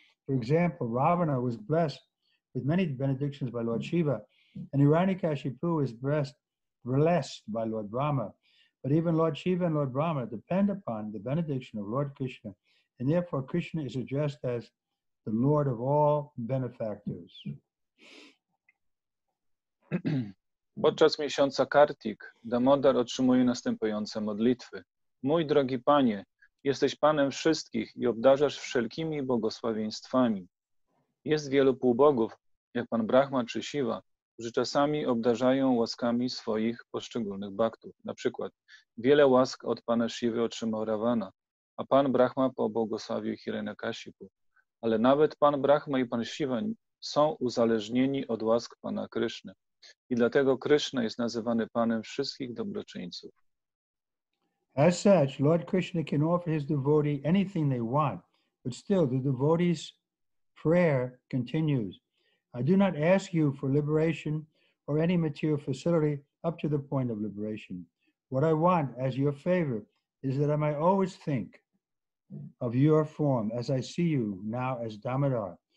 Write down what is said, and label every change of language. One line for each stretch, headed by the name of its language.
English: For example, Ravana was blessed with many benedictions by Lord Shiva, and Hiranyakashipu is blessed by Lord Brahma. But even Lord Shiva and Lord Brahma depend upon the benediction of Lord Krishna, and therefore Krishna is addressed as the Lord of all benefactors.
Polish: Podczas miesiąca Kartik, Damodar otrzymuje następujące modlitwy. Mój drogi Panie, jesteś Panem wszystkich i obdarzasz wszelkimi błogosławieństwami. Jest wielu półbogów, jak Pan Brahma czy Shiva, którzy czasami obdarzają łaskami swoich poszczególnych baktów. Na przykład wiele łask od Pana Shivy otrzymał Ravana, a Pan Brahma pobłogosławił Hiranyakashipu. Ale nawet Pan Brahma i Pan Shiva są uzależnieni od łask Pana Kryszny. I dlatego Krishna jest nazywany Panem wszystkich dobroczyńców.
English: As such, Lord Krishna can offer his devotee anything they want, but still the devotee's prayer continues. I do not ask you for liberation or any material facility up to the point of liberation. What I want as your favor is that I may always think of your form as I see you now as Damodar.